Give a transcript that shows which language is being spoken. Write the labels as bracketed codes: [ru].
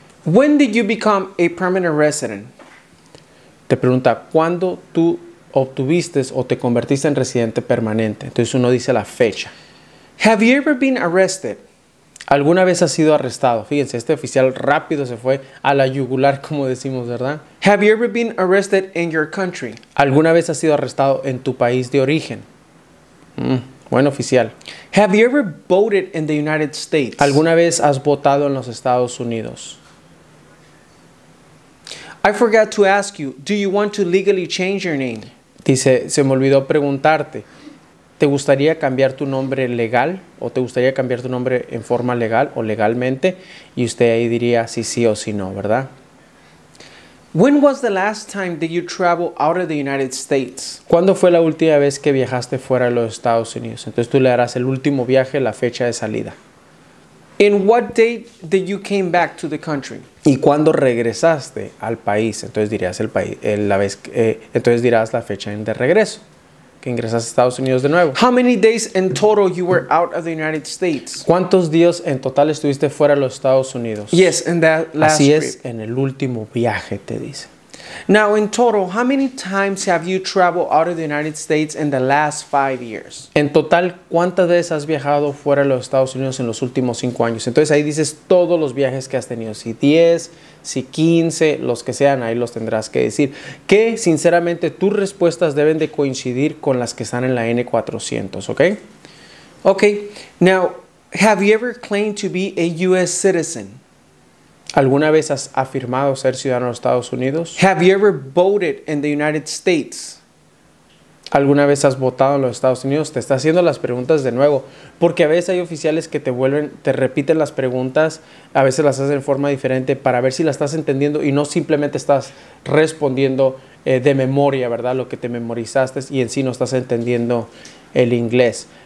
[en] When did you become a permanent resident? [es] Te pregunta, ¿cuándo tú obtuviste o te convertiste en residente permanente? Entonces uno dice la fecha. [en] Have you ever been arrested? [es] ¿Alguna vez has sido arrestado? Fíjense, este oficial rápido se fue a la yugular, como decimos, ¿verdad? [en] Have you ever been arrested in your country? [es] ¿Alguna vez has sido arrestado en tu país de origen? Buen oficial. [en] Have you ever voted in the United States? [es] ¿Alguna vez has votado en los Estados Unidos? [en] I forgot to ask you, do you want to legally change your name? [es] Dice, se me olvidó preguntarte. ¿Te gustaría cambiar tu nombre legal o te gustaría cambiar tu nombre en forma legal o legalmente? Y usted ahí diría si sí o si no, ¿verdad? [en] When was the last time that you traveled out of the United States? [es] ¿Cuándo fue la última vez que viajaste fuera de los Estados Unidos? Entonces tú le darás el último viaje, la fecha de salida. [en] In what date did you came back to the country? [es] ¿Y cuándo regresaste al país? Entonces dirías el país, la vez, entonces dirás la fecha de regreso. Que ingresas a Estados Unidos de nuevo. [en] How many days in total you were out of the United States? [es] ¿Cuántos días en total estuviste fuera de los Estados Unidos? [en] Yes, in that last trip. [es] Así es, en el último viaje, te dice. [en] Now, in total, how many times have you traveled out of the United States in the last 5 years? [es] En total, ¿cuántas veces has viajado fuera de los Estados Unidos en los últimos 5 años? Entonces ahí dices todos los viajes que has tenido. Si 10, si 15, los que sean, ahí los tendrás que decir. Que, sinceramente, tus respuestas deben de coincidir con las que están en la N-400, ¿ok? Ok. [en] Now, have you ever claimed to be a U.S. citizen? [es] ¿Alguna vez has afirmado ser ciudadano de los Estados Unidos? [en] Have you ever voted in the United States? [es] ¿Alguna vez has votado en los Estados Unidos? Te está haciendo las preguntas de nuevo, porque a veces hay oficiales que te repiten las preguntas, a veces las hacen de forma diferente para ver si las estás entendiendo y no simplemente estás respondiendo de memoria, ¿verdad? Lo que te memorizaste y en sí no estás entendiendo el inglés.